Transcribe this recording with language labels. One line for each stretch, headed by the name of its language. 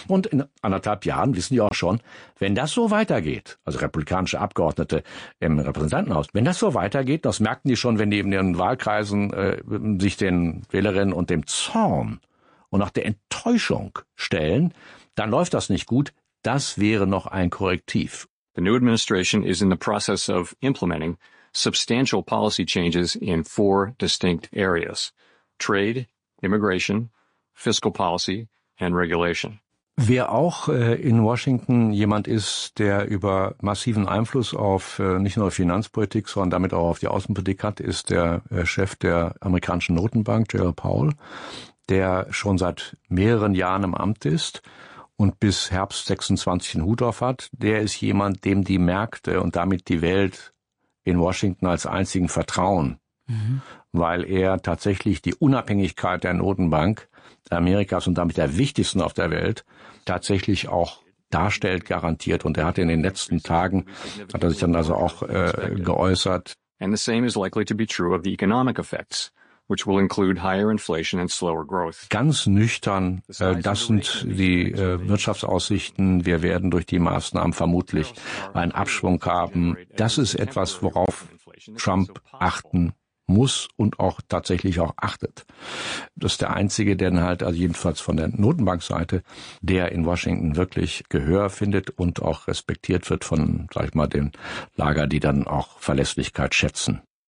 German: Und in 1,5 Jahren wissen die auch schon, wenn das so weitergeht, also republikanische Abgeordnete im Repräsentantenhaus, wenn das so weitergeht, das merken die schon, wenn die in ihren Wahlkreisen sich den Wählerinnen und dem Zorn und auch der Enttäuschung stellen, dann läuft das nicht gut. Das wäre noch ein Korrektiv.
English: The new administration is in the process of implementing substantial policy changes in 4 distinct areas: trade, immigration, fiscal policy and regulation.
German: Wer auch in Washington jemand ist, der über massiven Einfluss auf nicht nur Finanzpolitik, sondern damit auch auf die Außenpolitik hat, ist der Chef der amerikanischen Notenbank, Jerome Powell, der schon seit mehreren Jahren im Amt ist und bis Herbst 26 einen Hut auf hat. Der ist jemand, dem die Märkte und damit die Welt in Washington als einzigen vertrauen, weil er tatsächlich die Unabhängigkeit der Notenbank Amerikas und damit der wichtigsten auf der Welt tatsächlich auch darstellt, garantiert. Und er hat in den letzten Tagen, hat er sich dann also auch geäußert.
English: And the same is likely to be true of the economic effects, which will include higher inflation and slower growth.
German: Ganz nüchtern, das sind die Wirtschaftsaussichten. Wir werden durch die Maßnahmen vermutlich einen Abschwung haben. Das ist etwas, worauf Trump achten muss und auch tatsächlich auch achtet. Das ist der Einzige, der halt, also jedenfalls von der Notenbankseite, der in Washington wirklich Gehör findet und auch respektiert wird von, sag ich mal, dem Lager, die dann auch Verlässlichkeit schätzen.